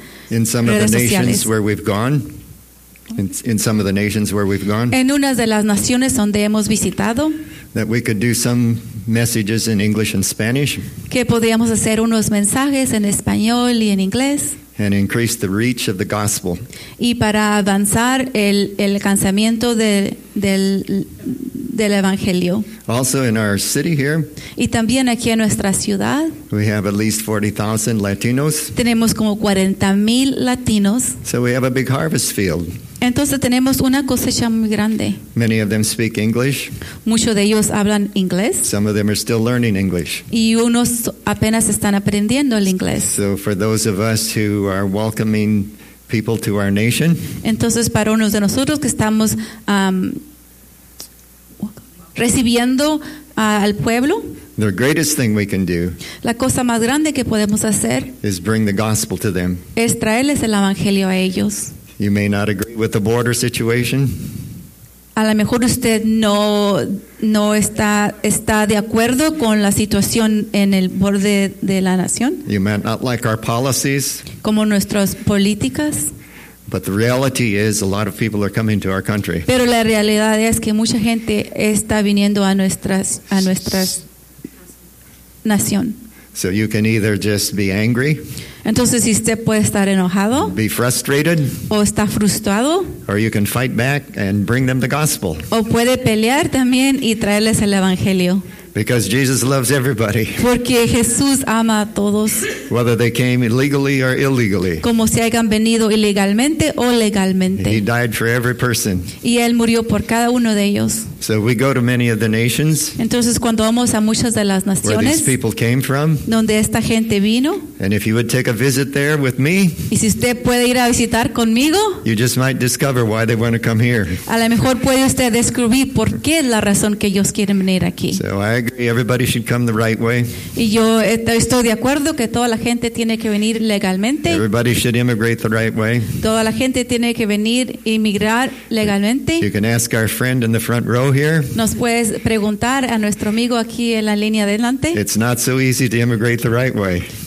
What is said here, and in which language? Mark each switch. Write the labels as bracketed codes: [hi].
[en] in some of the nations where we've gone. In some of the nations where we've gone. [es] En una de las naciones donde hemos visitado. [en] That we could do some messages in English and Spanish. [es] Que podíamos hacer unos mensajes en español y en inglés. [en] And increase the reach of the gospel. [es] Y para avanzar el alcanzamiento del evangelio. [en] Also in our city here. [es] Y también aquí en nuestra ciudad. [en] We have at least 40,000 Latinos. [es] Tenemos como 40,000 Latinos. [en] So we have a big harvest field. [es] Entonces tenemos una cosecha muy grande. [en] Many of them speak English. [es] Muchos de ellos hablan inglés. [en] Some of them are still learning English. [es] Y unos apenas están aprendiendo el inglés. [en] So for those of us who are welcoming people to our nation. [es] Entonces para unos de nosotros que estamos recibiendo al pueblo. [en] The greatest thing we can do. [es] La cosa más grande que podemos hacer. [en] Is bring the gospel to them. [es] Es traerles el evangelio a ellos. [en] You may not agree with the border situation. [es] A lo mejor usted no está de acuerdo con la situación en el borde de la nación. [en] You may not like our policies. [es] Como nuestras políticas. [en] But the reality is a lot of people are coming to our country. [es] Pero la realidad es que mucha gente está viniendo a nuestras nación. [en] So you can either just be angry. [es] Entonces, usted puede estar enojado, [en] be frustrated. [es] O está frustrado. [en] Or you can fight back and bring them the gospel. [es] O puede pelear también y traerles el evangelio. [en] Because Jesus loves everybody. [es] Porque Jesús ama a todos. [en] Whether they came legally or illegally. [es] Como si hayan venido ilegalmente o legalmente. [en] He died for every person. [es] Y él murió por cada uno de ellos. [en] So we go to many of the nations. [es] Entonces cuando vamos a muchas de las naciones. [en] Where these people came from. [es] Donde esta gente vino. [en] And if you would take a visit there with me. [es] Y si usted puede ir a visitar conmigo. [en] You just might discover why they want to come here. [es] A lo mejor puede usted descubrir por qué es la razón que ellos quieren venir aquí. [en] So I agree everybody should come the right way. [es] Y yo estoy de acuerdo que toda la gente tiene que venir legalmente. [en] Everybody should immigrate the right way. [es] Toda la gente tiene que venir inmigrar legalmente. [en] You can ask our friend in the front row here. [es] Nos puedes preguntar a nuestro amigo aquí en la línea adelante. [en] It's not so easy to immigrate the right way.